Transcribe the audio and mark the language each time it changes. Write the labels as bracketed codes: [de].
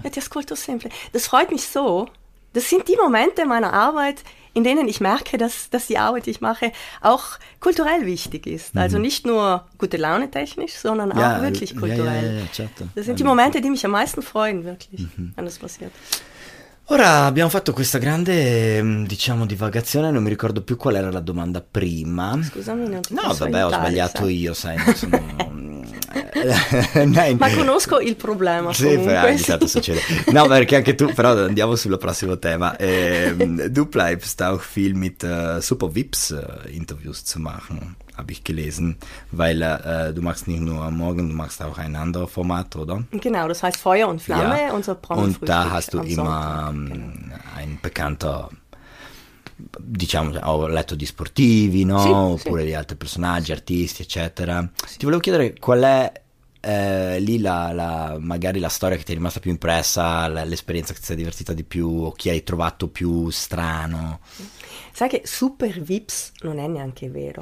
[it] e ti ascolto sempre. [de] Das freut mich so. Das sind die Momente meiner Arbeit, in denen ich merke, dass die Arbeit, die ich mache, auch kulturell wichtig ist. Mhm. Also nicht nur gute Laune technisch, sondern ja, auch wirklich kulturell. Ja, ja, ja, certo. Das sind die Momente, die mich am meisten freuen, wirklich, wenn das passiert. [it] Ora abbiamo fatto questa grande, diciamo, divagazione, non mi ricordo più qual era la domanda prima. Scusami, non ti no, posso vabbè, aiutare, ho sbagliato sai, io, sai, sono... Ma conosco il problema, sì, comunque. Sì, certo succede. No, perché anche tu, però andiamo sullo prossimo tema. [de] Du bleibst auch viel mit Super Vips Interviews zu machen. habe ich gelesen, weil du machst nicht nur am Morgen, du machst auch ein anderes Format, oder? Genau, das heißt Feuer und Flamme, ja. Unser Promi-Frühstück. Und da hast du immer ein bekannter, [it] diciamo, ho letto di sportivi, no? Sì, oppure sì. Di altri personaggi, artisti, eccetera. Sì. Ti volevo chiedere qual è lì la magari la storia che ti è rimasta più impressa, l'esperienza che ti sei divertita di più, o chi hai trovato più strano. Sai che Super Vips non è neanche vero.